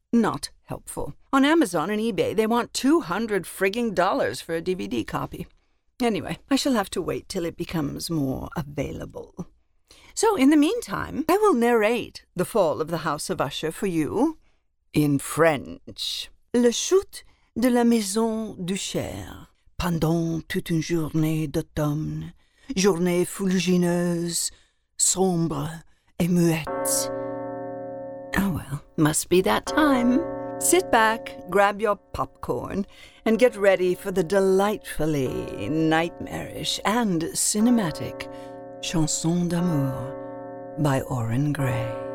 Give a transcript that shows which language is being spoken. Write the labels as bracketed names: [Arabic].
[English] Not helpful. On Amazon and eBay, they want $200 frigging for a DVD copy. Anyway, I shall have to wait till it becomes more available. So, in the meantime, I will narrate The Fall of the House of Usher for you in French. [French] La chute de la maison d'Usher. Pendant toute une journée d'automne, journée fulgineuse, sombre et muette. [English] Oh well, must be that time. Sit back, grab your popcorn, and get ready for the delightfully nightmarish and cinematic Chanson d'amour by Orrin Gray.